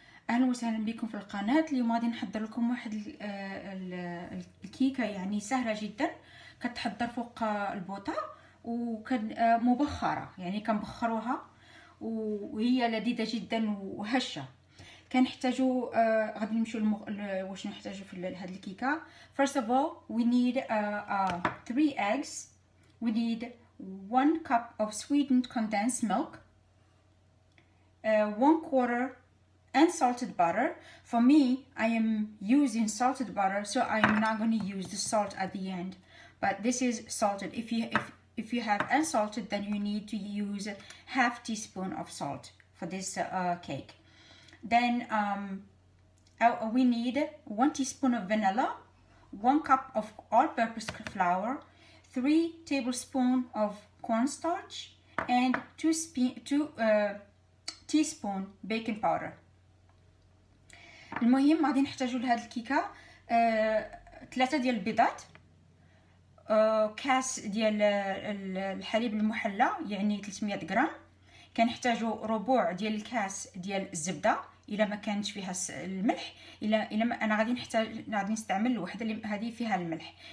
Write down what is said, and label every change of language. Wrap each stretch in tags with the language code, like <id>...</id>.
<ar>اهلا وسهلا بكم في القناة. اليوم غادي نحضر لكم واحد الكيكة يعني سهلة جدا, كتحضر فوق البوطة وكان مبخرة يعني كنبخروها وهي لذيذة جدا وهشة. كنحتاجو غادي نمشيو واش نحتاجو في هاد الكيكة.</ar> <en>First of all we need 3 eggs, we need 1 cup of sweetened condensed milk, 1 quarter unsalted butter. For me I am using salted butter, so I am not going to use the salt at the end, but this is salted. If you have unsalted, then you need to use half teaspoon of salt for this cake. Then we need 1 teaspoon of vanilla, 1 cup of all-purpose flour, 3 tablespoons of cornstarch, and 2 teaspoon baking powder.</en> <ar>المهم غادي نحتاجو لهاد الكيكة 3 ديال البيضات, كاس ديال الحليب المحلى يعني 300 غرام, كنحتاجو ربع ديال الكاس ديال الزبدة الا ما كانتش فيها الملح, الا ما انا غادي نحتاج غادي نستعمل الوحده اللي هذه فيها الملح.</ar>